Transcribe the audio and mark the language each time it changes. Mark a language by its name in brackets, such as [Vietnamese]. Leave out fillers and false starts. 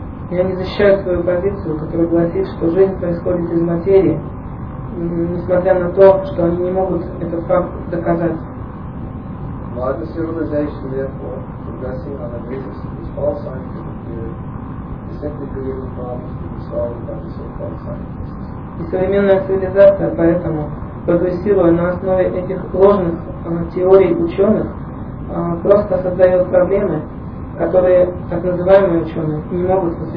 [Russian] И они защищают свою позицию, которая гласит, что жизнь происходит из материи, несмотря на то, что они не могут этот факт доказать. [English] Modern civilization, therefore, progressing on the basis of this false scientific theory, simply creating problems to be solved by the so-called scientists. [Russian] И современная цивилизация, поэтому, прогрессируя на основе этих ложных теорий ученых, просто создает проблемы, которые так называемые ученые не могут